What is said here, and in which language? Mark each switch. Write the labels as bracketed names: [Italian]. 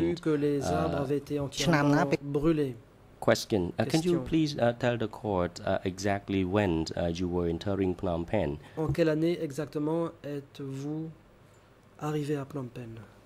[French] J'ai vu que les arbres avaient été entièrement brûlés. [English] Question. Can you please tell the court exactly when you were entering Phnom Penh? [French] En quelle année exactement êtes-vous arrivé à Phnom Penh?